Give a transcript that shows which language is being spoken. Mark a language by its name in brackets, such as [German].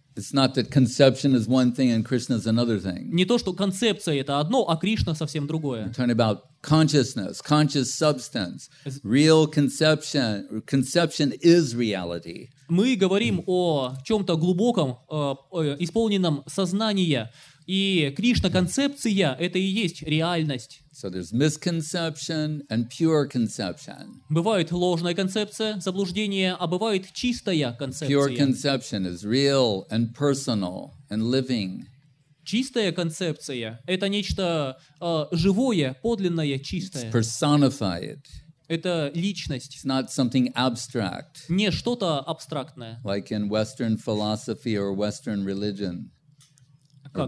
[English] It's not that conception is one thing and Krishna is another thing. [Russian] Не то, что концепция это одно, а Кришна совсем другое. [English] We're talking about consciousness, conscious substance, real conception. Conception is reality. [Russian] Мы говорим о чем-то глубоком, исполненном сознания. И Кришна-концепция — это и есть реальность. [English] So there's misconception and pure conception. [Russian] Бывает ложная концепция, заблуждение, а бывает чистая концепция. [English] Pure conception is real and personal and living. [Russian] Чистая концепция — это нечто живое, подлинное, чистое. [English] It's personified. [Russian] Это личность. [English] It's not something abstract. [Russian] Не что-то абстрактное. [English] Like in Western philosophy or Western religion, [Russian] как?